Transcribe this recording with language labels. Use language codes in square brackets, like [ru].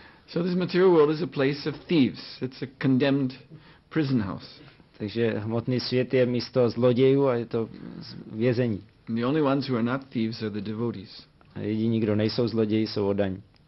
[en] So this material world is a place of thieves. It's a condemned prison house. [cs] Takže hmotný svět je místo zlodějů a je to vězení. [en] And the only ones who are not thieves are the devotees. [cs] A jediní, kdo nejsou zloději, jsou oddaní.